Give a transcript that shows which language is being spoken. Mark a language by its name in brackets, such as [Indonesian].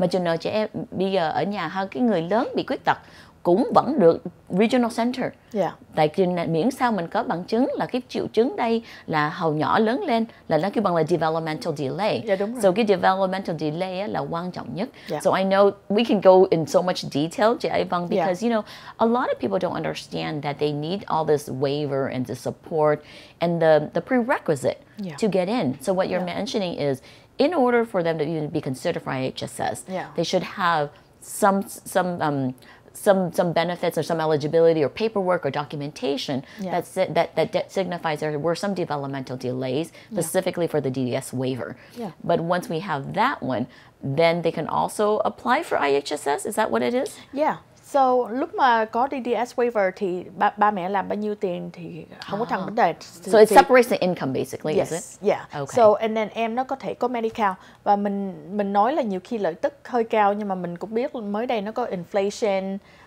[Vietnamese] Mà chỉ là chị em bây giờ ở nhà hơn, cái người lớn bị khuyết tật cũng vẫn được regional center. [English] Yeah. [Vietnamese] Tại vì miễn sao mình có bằng chứng là cái triệu chứng đây là hầu nhỏ lớn lên là nó kêu bằng là developmental delay. Yeah, đúng rồi. So cái developmental delay là quan trọng nhất. [English] Yeah. So I know we can go in so much detail, chị Ái Vân, because you know, a lot of people don't understand that they need all this waiver and the support and the prerequisite, yeah, to get in. So what you're, yeah, mentioning is in order for them to even be considered for IHSS, yeah, they should have some benefits or some eligibility or paperwork or documentation, yeah, that signifies there were some developmental delays specifically, yeah, for the DDS waiver. Yeah. But once we have that one, then they can also apply for IHSS. Is that what it is? Yeah. [Vietnamese] So lúc mà có DDS waiver thì ba mẹ làm bao nhiêu tiền thì không có thành vấn đề. [English] So it separates the income basically, yes, is it? Yeah. Okay. So and then [Vietnamese] em nó có thể có Medi-Cal, và mình nói là nhiều khi lợi tức hơi cao, nhưng mà mình cũng biết mới đây nó có inflation.